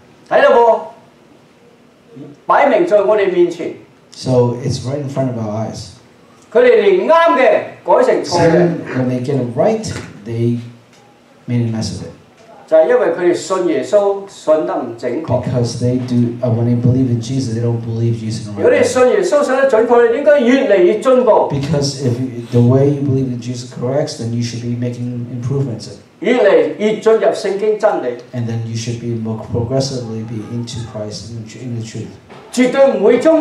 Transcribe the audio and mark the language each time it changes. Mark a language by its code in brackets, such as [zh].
[yue] 睇到冇？擺明在我哋面前， [en] so it's right in front of our eyes. [yue] 佢哋連啱嘅改成錯嘅。 [en] When they get it right, they made a mess of it. [yue] 就係因為佢哋信耶穌信得唔準確。 [en] Because they do, when they believe in Jesus, they don't believe Jesus in the [yue] 如果你信耶穌信得準確，你應該越嚟越進步。 [en] Because if the way you believe in Jesus corrects, then you should be making improvements. [yue] 越嚟越進入聖經真理。 [en] And then you should be more progressively be into Christ in the truth.